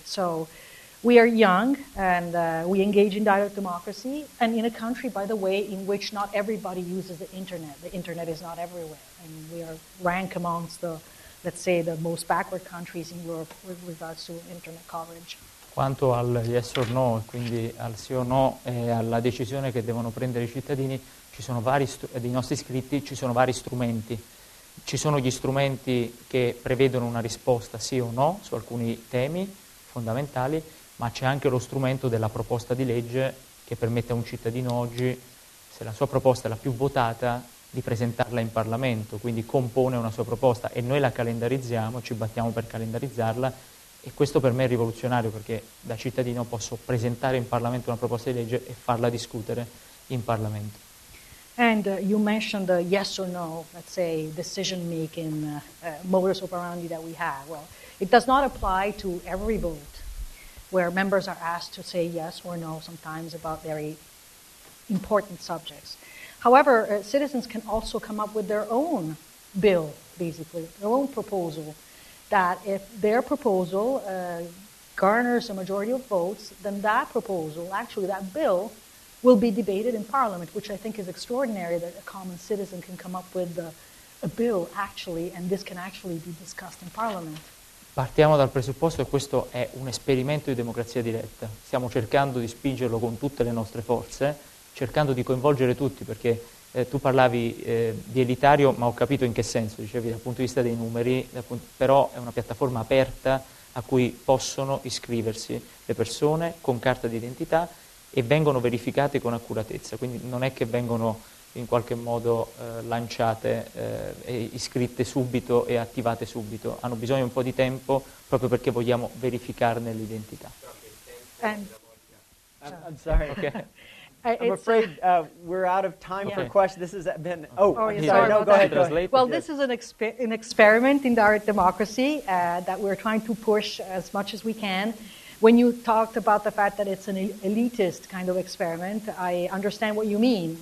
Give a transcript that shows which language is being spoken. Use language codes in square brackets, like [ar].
[en] So we are young, and we engage in direct democracy, and in a country, by the way, in which not everybody uses the internet. The internet is not everywhere. And we are ranked amongst the, let's say, the most backward countries in Europe with regards to internet coverage. [it] Quanto al [en] yes or no, [it] quindi al sì o no, e alla decisione che devono prendere i cittadini, ci sono vari dei nostri iscritti, ci sono vari strumenti. Ci sono gli strumenti che prevedono una risposta sì o no su alcuni temi fondamentali, ma c'è anche lo strumento della proposta di legge che permette a un cittadino oggi, se la sua proposta è la più votata, di presentarla in Parlamento, quindi compone una sua proposta e noi la calendarizziamo, ci battiamo per calendarizzarla E questo per me è rivoluzionario, perché da cittadino posso presentare in Parlamento una proposta di legge e farla discutere in Parlamento. [en] And you mentioned the yes or no, let's say, decision-making modus operandi that we have. Well, it does not apply to every vote, where members are asked to say yes or no sometimes about very important subjects. However, citizens can also come up with their own bill, basically, their own proposal, that if their proposal garners a majority of votes, then that proposal, actually that bill, will be debated in Parliament, which I think is extraordinary that a common citizen can come up with a bill, actually, and this can actually be discussed in Parliament. [it] Partiamo dal presupposto che questo è un esperimento di democrazia diretta. Stiamo cercando di spingerlo con tutte le nostre forze, cercando di coinvolgere tutti, perché tu parlavi di elitario, ma ho capito in che senso, dicevi dal punto di vista dei numeri, però è una piattaforma aperta a cui possono iscriversi le persone con carta d'identità e vengono verificate con accuratezza, quindi non è che vengono in qualche modo lanciate e iscritte subito e attivate subito, hanno bisogno un po' di tempo proprio perché vogliamo verificarne l'identità. [en] I'm afraid we're out of time for questions. This has been... Sorry, go ahead. Well, this is an experiment in direct democracy that we're trying to push as much as we can. When you talked about the fact that it's an elitist kind of experiment, I understand what you mean.